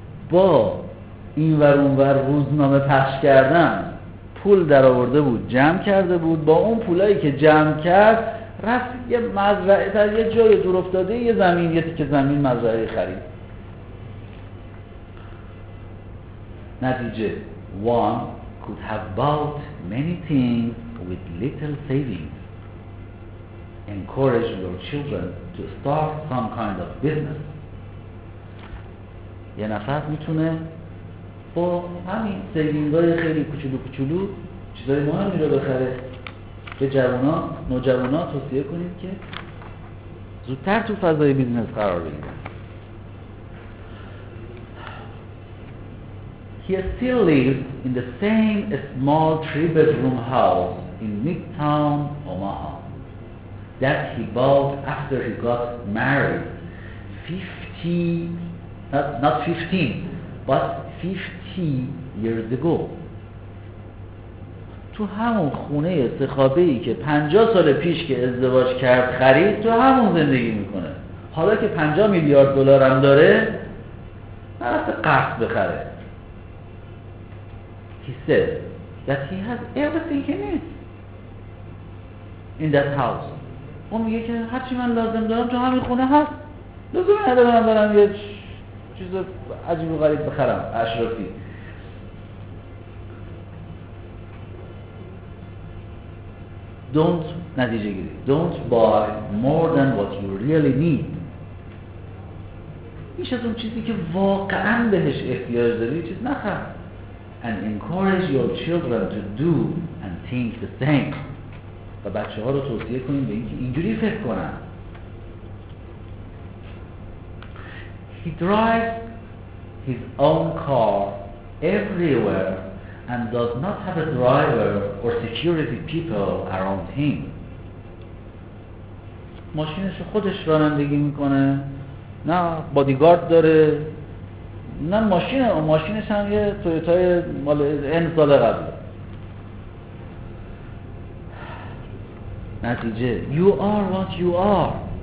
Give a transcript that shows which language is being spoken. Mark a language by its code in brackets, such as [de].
[fa] با این ور اون ور روزنامه پخش کردن پول در آورده بود، جمع کرده بود. با اون پولایی که جمع کرد رفت یه مزرعه در یه جای دور افتاده، یه زمین، یه تیکه زمین مزرعه خرید. [en] نتیجه one could have bought many things with little savings. Encourage your children to start some kind of business. [fa] یه نفر میتونه با همین سیوینگ‌های خیلی کوچولو کوچولو چیزای مهمی رو بخره. به جوانا، نوجوانا توصیه کنید که زودتر تو فضای بیزنس قرار بگیرن. [en] He still lives in the same small three bedroom house in Midtown Omaha that he bought after he got married 50 years ago. [fa] تو همون خونه سخابهی که 50 سال پیش که ازدواج کرد خرید تو همون زندگی میکنه. حالا که 50 میلیارد دلار هم داره نرسته قرض بخره. [en] He said that he has everything he needs. in that house. [fa] اون میگه که هر چی من لازم دارم تو همین خونه هست. لازم ندارم برم یه چیز عجیب و غریب بخرم اشرافی. نتیجه گیری. [en] Don't buy more than what you really need. [fa] بیش از اون چیزی که واقعا بهش احتیاج داری چیز نخر. [en] And encourage your children to do and think the same. [fa] و بچه ها رو توصیه کنیم به اینکه اینجوری فکر کنن. [en] He drives his own car everywhere and does not have a driver or security people around him. [fa] ماشینش خودش رانندگی میکنه، نه بادیگارد داره، نه ماشینش هم یه تویوتای مال این سال قبل. [en] نتیجه You are what you are.